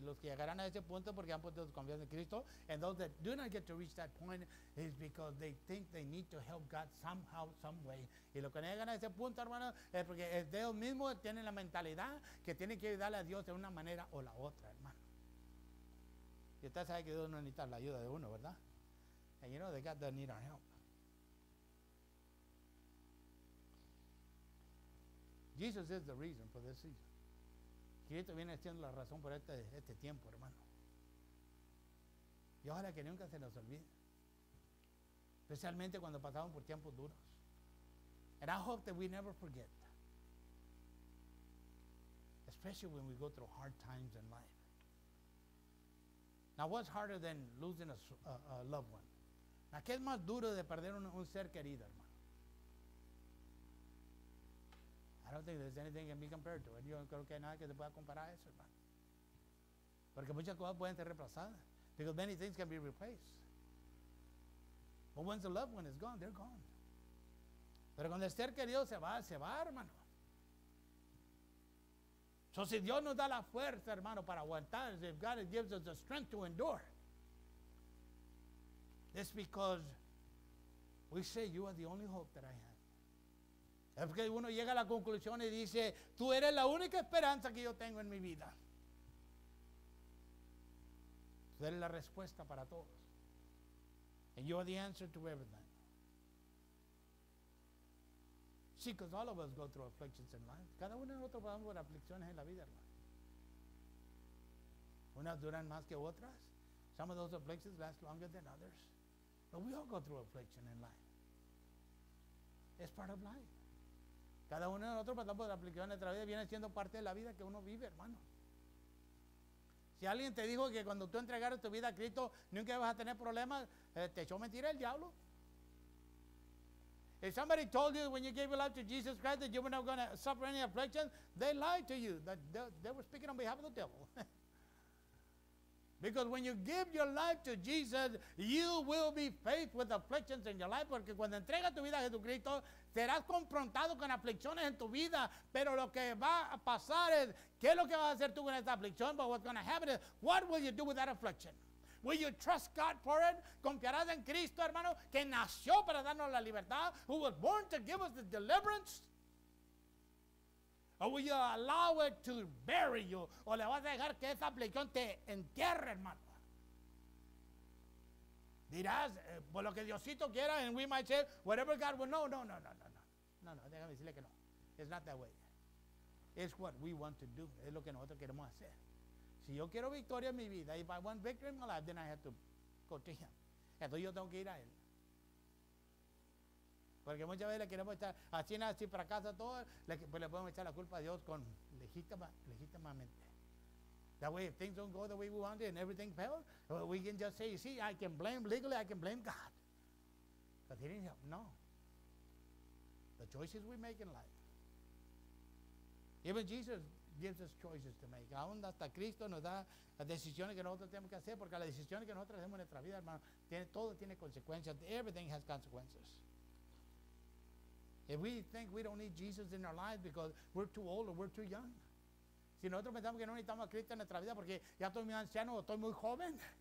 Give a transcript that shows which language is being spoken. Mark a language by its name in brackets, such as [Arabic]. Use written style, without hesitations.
[Spanish] Los que llegarán a ese punto porque han puesto su confianza en Cristo. [English] And those that do not get to reach that point is because they think they need to help God somehow, some way. [Spanish] Y los que no llegan a ese punto, hermano, es porque ellos mismos tienen la mentalidad que tienen que ayudarle a Dios de una manera o la otra, hermano. Y usted sabe que Dios no necesita la ayuda de uno, ¿verdad? [English] And you know, they got to need our help. Jesus is the reason for this season. [Spanish] Cristo viene siendo la razón por este tiempo, hermano. Y ojalá que nunca se nos olvide. Especialmente cuando pasamos por tiempos duros. [English] And I hope that we never forget. Especially when we go through hard times in life. Now, what's harder than losing a loved one? [Spanish] Now, ¿qué es más duro de perder un ser querido, hermano? [English] I don't think there's anything that can be compared to it. [Spanish] Yo no creo que hay nada que se pueda comparar a eso, hermano. Porque muchas cosas pueden ser reemplazadas. [English] Because many things can be replaced. But once the loved one is gone, they're gone. [Spanish] Pero cuando el ser querido se va, hermano. So si Dios nos da la fuerza, hermano, para aguantar, [English] if God gives us the strength to endure, it's because we say you are the only hope that I have. [Spanish] Es porque uno llega a la conclusión y dice, tú eres la única esperanza que yo tengo en mi vida. Tú eres la respuesta para todos. [English] And you are the answer to everything. See, because all of us go through afflictions in life. [Spanish] Cada uno de nosotros pasamos por aflicciones en la vida, hermano. Unas duran más que otras. [English] Some of those afflictions last longer than others. But we all go through affliction in life. It's part of life. [Spanish] Cada uno de nosotros pasamos por la aplicación de nuestra vida, viene siendo parte de la vida que uno vive, hermano. Si alguien te dijo que cuando tú entregaras tu vida a Cristo nunca vas a tener problemas, te echó mentira el diablo. [English] If somebody told you when you gave your life to Jesus Christ that you were not going to suffer any affliction, they lied to you. They were speaking on behalf of the devil. Because when you give your life to Jesus, you will be faced with afflictions in your life. [Spanish] Porque cuando entregas tu vida a Jesucristo, serás confrontado con aflicciones en tu vida. Pero lo que va a pasar es, ¿qué es lo que vas a hacer tú con esta aflicción? [English] But what's going to happen is, what will you do with that affliction? Will you trust God for it? [Spanish] ¿Confiarás en Cristo, hermano, que nació para darnos la libertad? [English] Who was born to give us the deliverance? Or will you allow it to bury you? [Spanish] ¿O le vas a dejar que esa aflicción te entierre, hermano? Dirás, por lo que Diosito quiera, [English] and we might say, whatever God will, [Spanish] no, déjame decirle que no. [English] It's not that way. It's what we want to do. [Spanish] Es lo que nosotros queremos hacer. Si yo quiero victoria en mi vida, [English] if I want victory in my life, then I have to go to him. [Spanish] Entonces yo tengo que ir a él. Porque muchas veces le queremos estar así, nada, así fracasa todo, pues le podemos echar la culpa a Dios con legítimamente. [English] That way, if things don't go the way we wanted and everything fails, we can just say, see, I can blame legally, I can blame God. But he didn't help. No. The choices we make in life. Even Jesus gives us choices to make. [Spanish] Aún hasta Cristo nos da las decisiones que nosotros tenemos que hacer, porque las decisiones que nosotros hacemos en nuestra vida, hermano, tiene, todo tiene consecuencias. [English] Everything has consequences. If we think we don't need Jesus in our lives because we're too old or we're too young. [Spanish] Si nosotros pensamos que no necesitamos a Cristo en nuestra vida porque ya estoy muy anciano o estoy muy joven.